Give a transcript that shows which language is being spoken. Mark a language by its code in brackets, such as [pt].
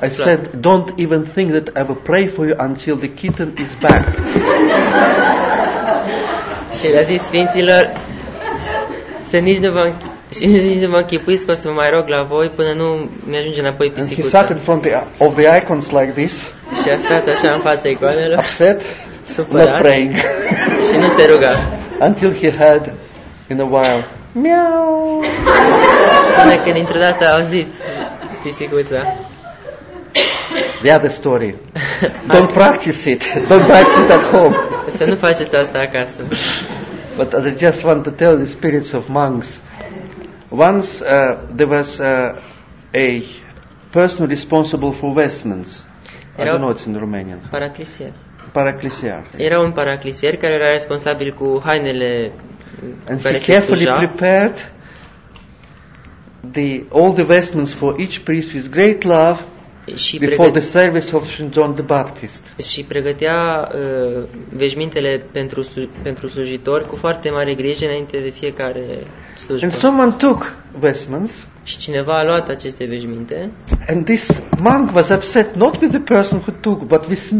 [en] I said, don't even think that I will pray for you until the kitten is back. [ro] Și le-a zis sfinților să nici nu vă închipuiți că o să mă mai rog la voi până nu mi-ajunge înapoi pisicuța. [en] And he sat in front of the icons like this. [ro] Și a stat așa în fața icoanelor. [en] Upset. [ro] Supărat. [en] Not praying. [ro] Și nu se ruga. [en] Until he heard in a while, meow. [ro] Până când dintr-o dată a auzit pisicuța. [en] The other story. Don't practice it. Don't practice it at home. [ro] Să nu faceți asta acasă. [en] But I just want to tell the spirits of monks. Once there was a person responsible for vestments. [ro] Era, [en] I don't know it's in Romanian. [ro] Paraclisier. Era un paraclisier care era responsabil cu hainele. [en] And he carefully prepared all the vestments for each priest with great love before the service of St. John the Baptist. [ro] Și pregătea veșmintele pentru slujitor cu foarte mare grijă înainte de fiecare slujbă. [en] And someone took vestments. [ro] Și cineva a luat aceste veșminte. [en] And this monk was upset not with the person who took but with St.